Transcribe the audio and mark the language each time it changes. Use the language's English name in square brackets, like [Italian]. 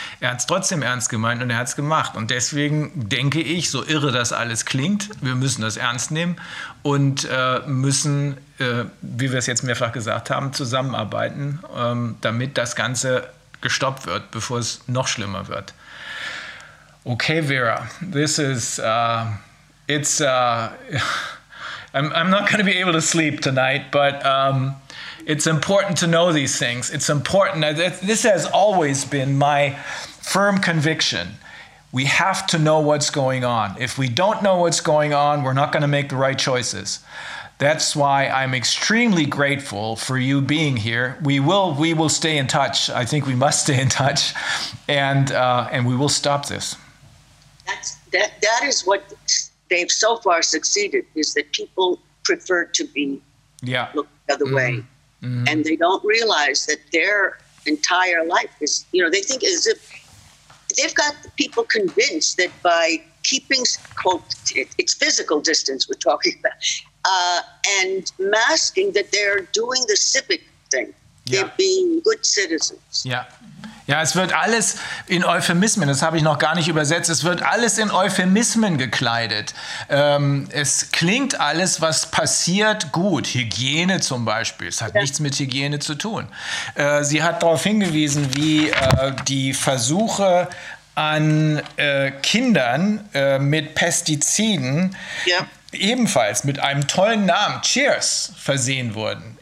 [German] Er hat es trotzdem ernst gemeint und er hat es gemacht. Und deswegen denke ich, so irre das alles klingt, wir müssen das ernst nehmen und müssen, wie wir es jetzt mehrfach gesagt haben, zusammenarbeiten, damit das Ganze gestoppt wird, bevor es noch schlimmer wird. [English] Okay, Vera, this is, it's, I'm not going to be able to sleep tonight, but it's important to know these things. It's important. This has always been my firm conviction. We have to know what's going on. If we don't know what's going on, we're not going to make the right choices. That's why I'm extremely grateful for you being here. We will stay in touch. I think we must stay in touch, and we will stop this. That is what they've so far succeeded, is that people prefer to be looked the other way. Mm-hmm. And they don't realize that their entire life is, you know, they think as if they've got people convinced that by keeping, quote, it's physical distance we're talking about, and masking, that they're doing the civic thing. Yeah. They're being good citizens. Yeah. [German] Ja, es wird alles in Euphemismen, das habe ich noch gar nicht übersetzt, es wird alles in Euphemismen gekleidet. Es klingt alles, was passiert, gut. Hygiene zum Beispiel, es hat nichts mit Hygiene zu tun. Sie hat darauf hingewiesen, wie die Versuche an Kindern mit Pestiziden ebenfalls mit einem tollen Namen, Cheers, versehen wurden.